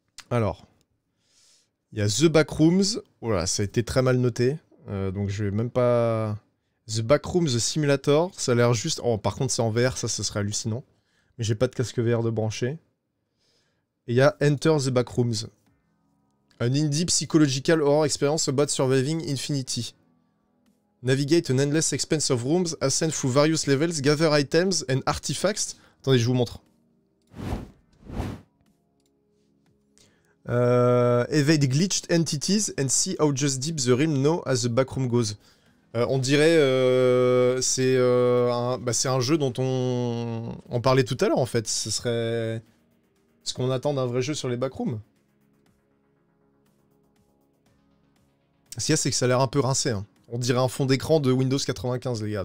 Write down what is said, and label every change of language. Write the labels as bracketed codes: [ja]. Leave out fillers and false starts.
[fr] Alors, il y a The Backrooms. Voilà, ça a été très mal noté. Donc je vais même pas... The Backrooms Simulator, ça a l'air juste... Oh, par contre, c'est en VR, ça serait hallucinant. Mais j'ai pas de casque VR de brancher. Et il y a Enter the Backrooms. [en] An indie psychological horror experience about surviving infinity. Navigate an endless expanse of rooms, ascend through various levels, gather items and artifacts. [fr] Attendez, je vous montre. [en] Evade glitched entities and see how just deep the realm know as the backroom goes. [fr] On dirait c'est un jeu dont on parlait tout à l'heure en fait. Ce serait ce qu'on attend d'un vrai jeu sur les backrooms. Ce qu'il y a, c'est que ça a l'air un peu rincé. Hein. On dirait un fond d'écran de Windows 95, les gars.